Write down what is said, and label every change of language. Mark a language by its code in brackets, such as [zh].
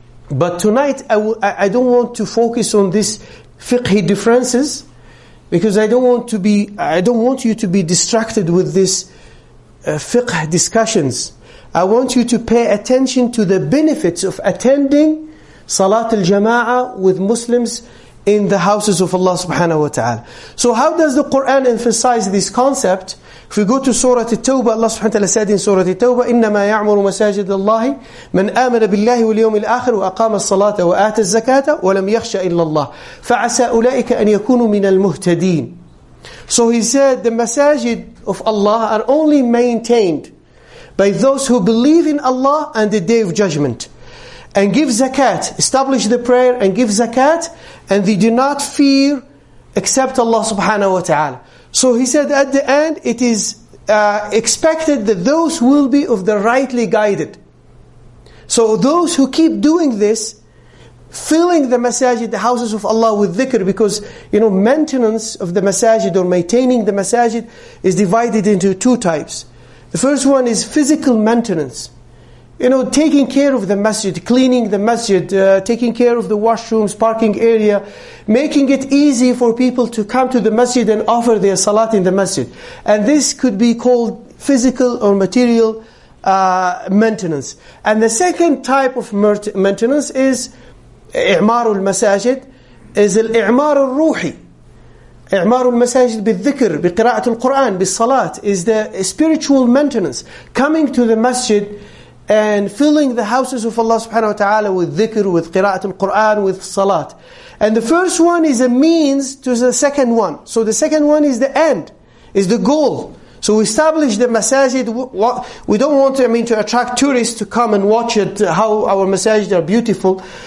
[en] But tonight, I don't want to focus on these fiqh differences, because I don't want you to be distracted with this fiqh discussions. I want you to pay attention to the benefits of attending Salat al-Jama'ah with Muslims in the houses of Allah subhanahu wa ta'ala. So how does the Quran emphasize this concept? If we go to Surah At-Tawbah, [ar] Allah subhanahu wa ta'ala said in Surah At-Tawbah, إِنَّمَا يَعْمُرُ مَسَاجِدَ اللَّهِ مَنْ آمَنَ بِاللَّهِ وَالْيَوْمِ الْآخِرِ وَأَقَامَ الصَّلَاةَ وَآتَ الزَّكَاةَ وَلَمْ يَخْشَ إِلَّا اللَّهِ فَعَسَى أُولَٰئِكَ أَنْ يَكُونُوا مِنَ الْمُهْتَدِينَ. [en] So he said, the masajid of Allah are only maintained by those who believe in Allah and the Day of Judgment, and give zakat, establish the prayer and give zakat, and they do not fear except Allah subhanahu wa ta'ala. So he said at the end, it is expected that those will be of the rightly guided. So those who keep doing this, filling the masajid, the houses of Allah, with dhikr, because, you know, maintenance of the masajid or maintaining the masajid is divided into two types. The first one is physical maintenance. You know, taking care of the masjid, cleaning the masjid, taking care of the washrooms, parking area, making it easy for people to come to the masjid and offer their salat in the masjid. And this could be called physical or material maintenance. And the second type of maintenance is [ar] إعمار المساجد, [en] is [ar] الإعمار الروحي. إعمار المساجد بالذكر, بقراءة القرآن, بالصلاة, [en] is the spiritual maintenance. Coming to the masjid and filling the houses of Allah subhanahu wa ta'ala with dhikr, with qira'at al-Qur'an, with salat. And the first one is a means to the second one. So the second one is the end, is the goal. So we establish the masajid. We don't want to, I mean, to attract tourists to come and watch it, how our masajid are beautiful.